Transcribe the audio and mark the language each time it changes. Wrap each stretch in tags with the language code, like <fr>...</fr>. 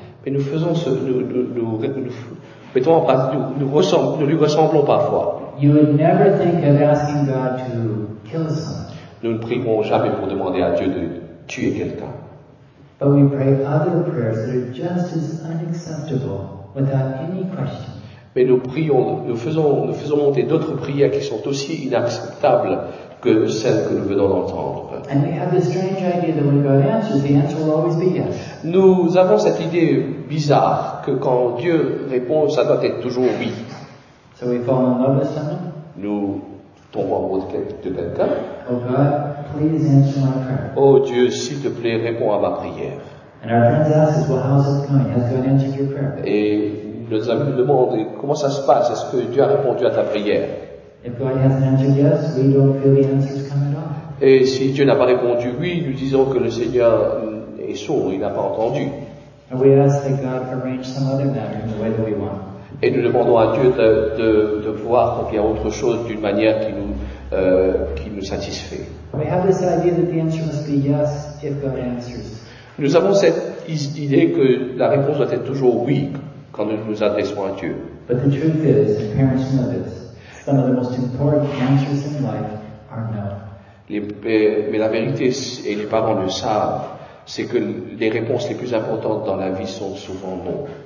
<fr>Mais nous faisons ce, nous lui ressemblons parfois.</fr> <en>You would never think of asking God to kill someone.</en> <fr>Nous ne prierons jamais pour demander à Dieu de tuer quelqu'un.</fr> <en>But we pray other prayers that are just as unacceptable without any question.</en> <fr>Mais nous prions, nous faisons monter d'autres prières qui sont aussi inacceptables que celles que nous venons d'entendre.</fr> <en>And we have this strange idea that when God answers, the answer will always be yes.</en> <fr>Nous avons cette idée bizarre que quand Dieu répond, ça doit être toujours oui.</fr> <en>So we fall in love with someone.</en> <fr>Nous tombons amoureux de quelqu'un.</fr> <en>Oh God, please answer my prayer.</en> <fr>Oh Dieu, s'il te plaît, réponds à ma prière.</fr> <en>And our friends ask us, well, how's it going? Has God answered your prayer?</en> <fr>Et nos amis nous demandent, comment ça se passe? Est-ce que Dieu a répondu à ta prière?</fr> <en>If God hasn't answered yes, we don't feel the answer's coming at all.</en> <fr>Et si Dieu n'a pas répondu oui, nous disons que le Seigneur est sourd, il n'a pas entendu.</fr> <en>And we ask that God arrange some other matter in the way that we want.</en> <fr>Et nous demandons à Dieu de voir qu'il y a autre chose d'une manière qui nous satisfait.</fr> <en>We have this idea that the answer must be yes if God answers.</en> <fr>Nous avons cette idée que la réponse doit être toujours oui quand nous nous adressons à Dieu.</fr> <en>But the truth is, the parents know this. Some of the most important answers in life are no.</en> <fr>Mais la vérité, et les parents le savent, c'est que les réponses les plus importantes dans la vie sont souvent non.</fr>